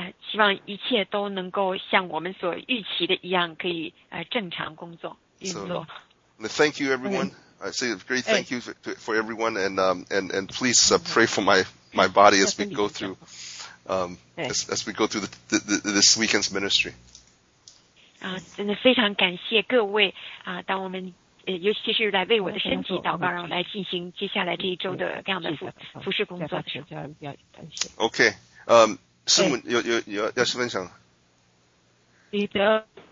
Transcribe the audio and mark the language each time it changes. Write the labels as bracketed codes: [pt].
[zh] 希望一切都能够像我们所预期的一样，可以正常工作运作。 [en] So, thank you, everyone.、Okay. I say a great thank you for everyone, and please pray for my body as we go through as we go through this weekend's ministry. [zh] 真的非常感谢各位当我们尤其是来为我的身体祷告，然后来进行接下来这一周的各样的服事工作的时候。 OK。 师母要是分享李德